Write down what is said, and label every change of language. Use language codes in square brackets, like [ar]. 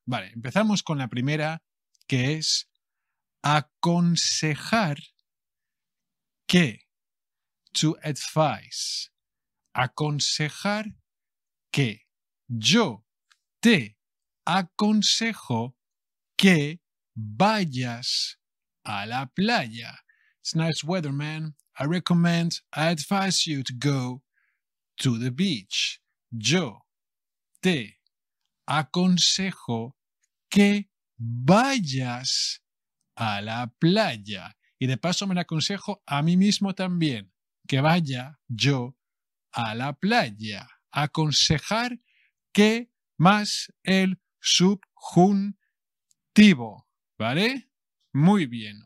[es] Vale, empezamos con la primera, que es aconsejar que. [en] To advise. [es] Aconsejar que. Yo te aconsejo que vayas a la playa. [en] It's nice weather, man. I recommend, I advise you to go to the beach. [es] Yo te aconsejo que vayas a la playa. Y de paso me lo aconsejo a mí mismo también. Que vaya yo a la playa. Aconsejar que más el subjuntivo, ¿vale? Muy bien.